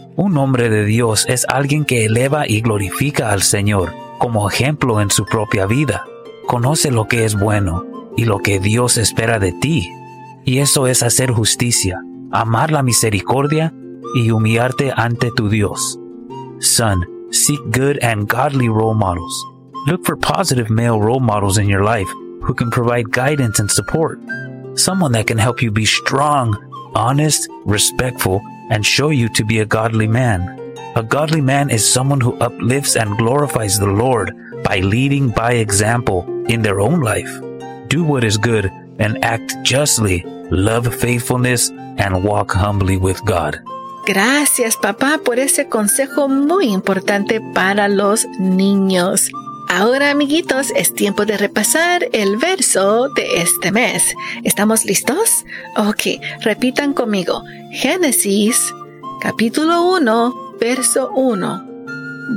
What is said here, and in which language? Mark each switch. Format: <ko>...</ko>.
<es>Un hombre de Dios es alguien que eleva y glorifica al Señor como ejemplo en su propia vida. Conoce lo que es bueno y lo que Dios espera de ti. Y eso es hacer justicia, amar la misericordia y humillarte ante tu Dios.</es> <en>Son, seek good and godly role models. Look for positive male role models in your life who can provide guidance and support. Someone that can help you be strong, honest, respectful, and show you to be a godly man. A godly man is someone who uplifts and glorifies the Lord by leading by example in their own life. Do what is good and act justly, love faithfulness, and walk humbly with God.</en> <es>Gracias, papá, por ese consejo muy importante para los niños. Ahora, amiguitos, es tiempo de repasar el verso de este mes. ¿Estamos listos? Ok, repitan conmigo. Génesis, capítulo 1, verso 1.</es>